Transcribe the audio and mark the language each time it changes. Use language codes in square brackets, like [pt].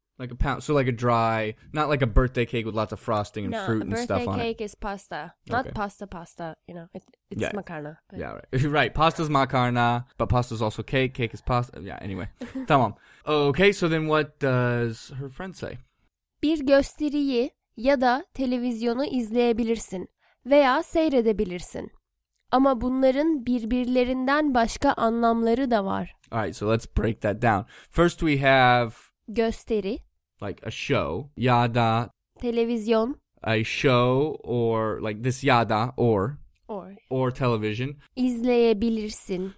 [en] Like a pound, so like a dry, not like a birthday cake with lots of frosting and fruit and stuff on it. No, birthday cake is pasta. Not pasta, you know, it's makarna. But. Yeah, right. Right, pasta's makarna, but pasta's also cake. Cake is pasta. Yeah, anyway. Tamam. Okay, so then what does her friend say? [tr] Bir gösteriyi ya da televizyonu izleyebilirsin veya seyredebilirsin. Ama bunların birbirlerinden başka anlamları da var. [en] All right, so let's break that down. First we have... [tr] Gösteri. [en] like a show. [tr] Ya da televizyon. [en] A show or like this [tr] ya da [en] or. Or. Or television. [tr] İzleyebilirsin.